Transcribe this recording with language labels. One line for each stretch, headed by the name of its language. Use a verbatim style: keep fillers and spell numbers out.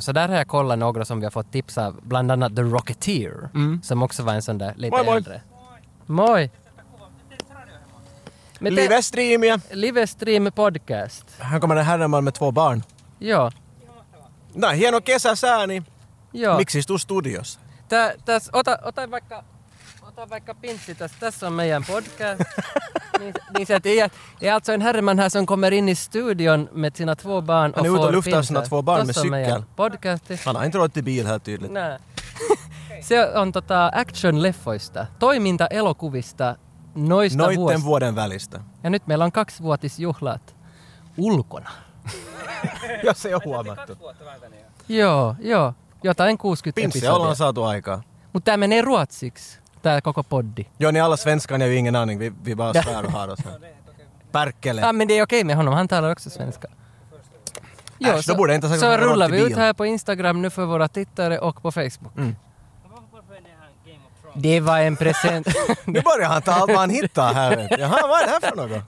Swedish: Så där har jag kollat några som vi har fått tips av. Bland annat The Rocketeer. Mm. Som också var en sån där lite
Finnish: moi, moi.
Swedish: äldre. Moi. Livestream ja.
English: Livestream podcast.
Swedish: Här kommer en herreman med två barn. Ja.
Finnish: Nej, hieno kesä sääni. Joo. Miksi istuu studiossa? Tää, täs, ota, ota vaikka, ota vaikka pintti tässä. Tässä on meidän podcast. Niin, niin sä tiedät.
Swedish: Ja alltså en herrman här som kommer in i studion med sina två barn och får pintar. Han är ute och luftar sina två barn med cykeln. Han har inte råd till bil här tydligt. Nä.
Finnish: Se on tota action-leffoista, toiminta-elokuvista noista Noitten vuosista. Vuoden välistä. Ja nyt meillä on kaksivuotisjuhlat ulkona. Jos ei ole huomattu. Joo, joo. Jotain kuusikymmentä Pinsse episodia. Ollaan saatu aikaa. Mutta tämä menee ruotsiksi, tämä koko poddi. Joo, niin
Swedish: alla svenskan ja vi ingen aning, vi, vi bara svär och har oss här.
Finnish: Pärkele.
Swedish: Ja, men det är okej med honom, han talar också svenska. Jo, äsch, så borde inte så, så rullar vi ut här på Instagram nu för våra tittare och på Facebook. Mm. Det var en present. Nu börjar han ta allt man hittar här. Jaha, vad är det här för något?